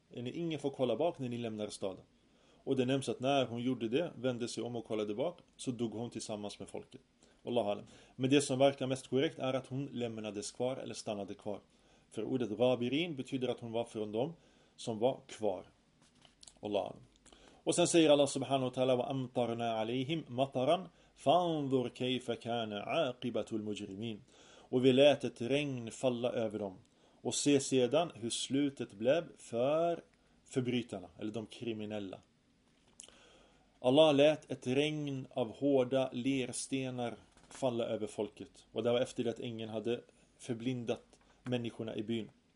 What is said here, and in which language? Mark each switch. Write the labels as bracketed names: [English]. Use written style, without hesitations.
[Swedish] Ingen får kolla bak när ni lämnar staden. Och det nämns att när hon gjorde det, vände sig om och kollade bak, så dog hon tillsammans med folket. Allah alam. Men det som verkar mest korrekt är att hon lämnades kvar eller stannade kvar. För ordet rabirin betyder att hon var från dem som var kvar. Allah alam. Och sen säger Allah subhanahu wa ta'ala: [Arabic] وَأَمْطَرْنَا عَلَيْهِمْ مَطَرًا فَانْظُرْ كَيْفَ كَانَ عَاقِبَةُ الْمُجْرِمِينَ. [Swedish] Och vi lät ett regn falla över dem. Och se sedan hur slutet blev för förbrytarna, eller de kriminella. Allah lät ett regn av hårda lerstenar falla över folket. Och det var efter det att ängeln hade förblindat människorna i byn.